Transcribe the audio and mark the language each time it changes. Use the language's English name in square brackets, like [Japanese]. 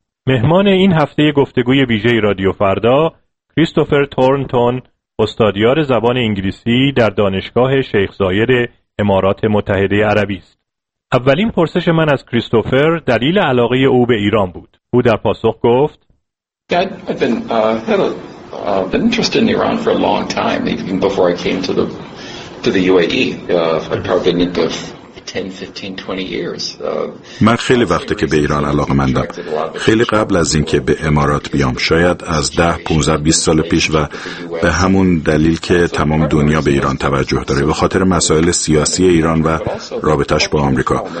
[Persian] مهمان این هفته گفتگوی ویژه رادیو فردا کریستوفر تورنتون، استادیار زبان انگلیسی در دانشگاه شیخ زاید امارات متحده عربی است. اولین پرسش من از کریستوفر دلیل علاقه او به ایران بود. او در پاسخ گفت: [English] I've been interested in Iran for a long time, even before I came to the UAE. I've probably been into 10, 15, 20 years. [Persian] من خیلی وقته که به ایران علاقه مندم. خیلی قبل از اینکه به امارات بیام، شاید از 10, 15, 20 سال پیش، و به همون دلیل که تمام دنیا به ایران توجه داره، به خاطر مسائل سیاسی ایران و رابطش با آمریکا.